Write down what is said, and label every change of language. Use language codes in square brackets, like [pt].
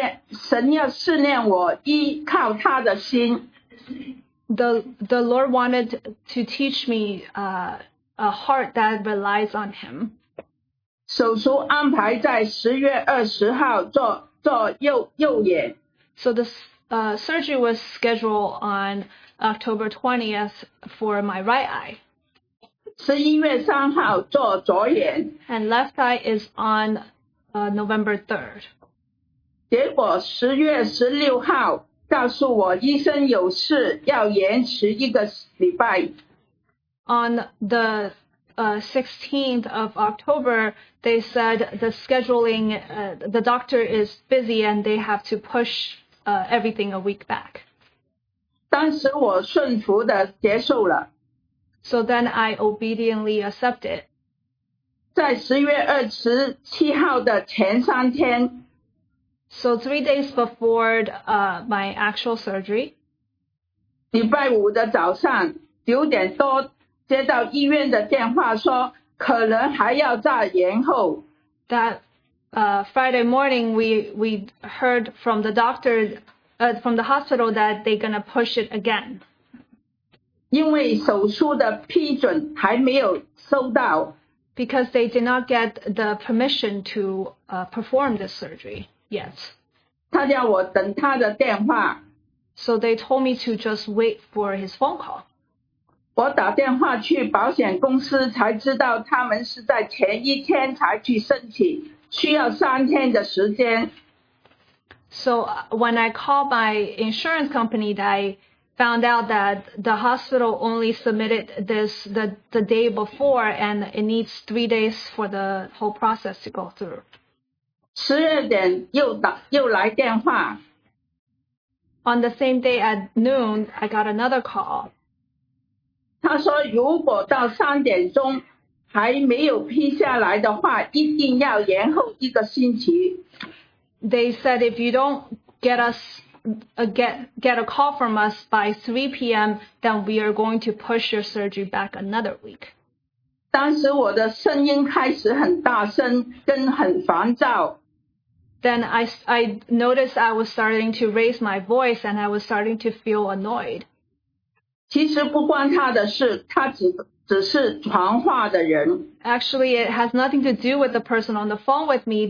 [zh] 神要试炼我依靠他的心。 [en] The Lord wanted to teach me a heart that relies on him. [zh] 手术安排在10月20号做右眼。 [en] So the surgery was scheduled on October 20th for my right eye. [zh] 11月3号做左眼。 [en] And left eye is on November 3rd. [zh] 结果10月16号告诉我医生有事要延迟一个礼拜。 [en] On the 16th of October, they said the scheduling, the doctor is busy and they have to push everything a week back. [zh] 当时我顺服的接受了。 [en] So then I obediently accepted. [zh] 在10月27号的前三天。 [en] So 3 days before my actual surgery. [zh] 礼拜五的早上9点多接到医院的电话说可能还要再延后。 [en] That Friday morning we heard from the doctor from the hospital that they're going to push it again. [zh] 因为手术的批准还没有收到。 [en] Because they did not get the permission to perform this surgery yet. [zh] 他叫我等他的电话。 [en] So they told me to just wait for his phone call. [zh] 我打电话去保险公司才知道他们是在前一天才去申请，需要3天的时间。 [en] So when I called my insurance company, I found out that the hospital only submitted this the day before, and it needs 3 days for the whole process to go through. [zh] 12点又来电话。 [en] On the same day at noon, I got another call. [zh] 他说如果到3点钟还没有批下来的话，一定要延后一个星期。 [en] They said if you don't get a call from us by 3 p.m., then we are going to push your surgery back another week. [zh] 当时我的声音开始很大声，跟很烦躁。 [en] Then I noticed I was starting to raise my voice and I was starting to feel annoyed. [zh] 其实不关他的事，他只是传话的人。 [en] Actually, it has nothing to do with the person on the phone with me.